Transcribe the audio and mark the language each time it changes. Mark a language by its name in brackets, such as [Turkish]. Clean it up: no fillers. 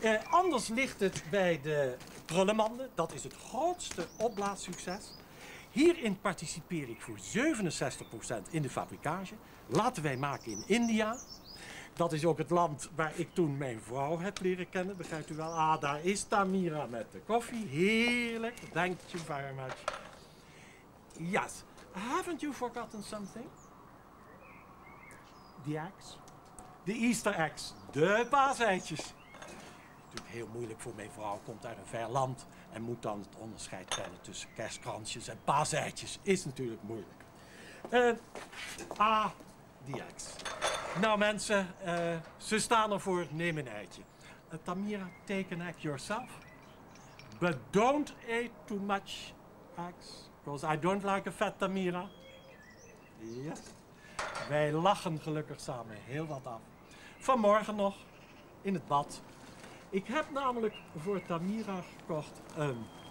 [Dutch] Anders ligt het bij de prullenmanden, dat is het grootste opblaassucces. Hierin participeer ik voor 67% in de fabrikage. Laten wij maken in India. Dat is ook het land waar ik toen mijn vrouw heb leren kennen, begrijpt u wel? Ah, daar is Tamira met de koffie. Heerlijk. [English] Thank you very much. Yes. Haven't you forgotten something? The eggs? The Easter eggs. [Dutch] De paaseitjes. Natuurlijk heel moeilijk voor mijn vrouw. Komt uit een ver land. En moet dan het onderscheid tellen tussen kerstkransjes en paaseitjes. Is natuurlijk moeilijk. Die eggs. Nou mensen, ze staan ervoor. Neem een eitje. [English] Tamira, take an egg yourself. But don't eat too much eggs. Because I don't like a fat Tamira. Yes. [Dutch] Wij lachen gelukkig samen heel wat af. Vanmorgen nog in het bad. Ik heb namelijk voor Tamira gekocht een